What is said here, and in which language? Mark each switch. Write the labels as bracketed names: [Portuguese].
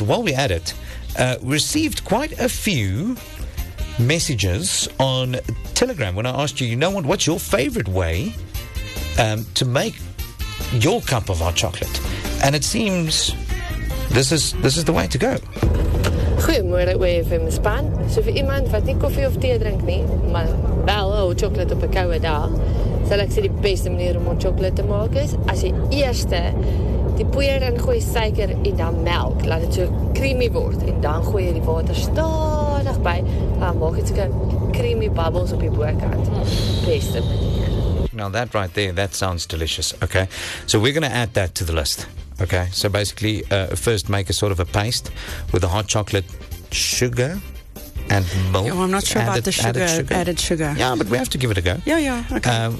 [English] While we're at it, received quite a few messages on Telegram when I asked you, you know what, what's your favorite way to make your cup of hot chocolate? And it seems this is the way to go. [Afrikaans] Goeiemôre, WFM span. So vir iemand wat nie koffie of tee drink nie, maar wel hot chocolate op 'n koue dag, sal ek sê die beste manier om hot chocolate te maak is, as jy eerste die poeier en gooi suiker en dan melk, laat het so creamy word, en dan gooi jy die water stadig by, dan maak het so'n creamy bubbles op die boekant. Beste manier. [English] Now that right there, that sounds delicious, okay? So we're going to add that to the list, okay? So basically, first make a sort of a paste with the hot chocolate sugar and milk. Yeah, well, I'm not sure about the added sugar. Yeah, but we have to give it a go. Yeah, okay.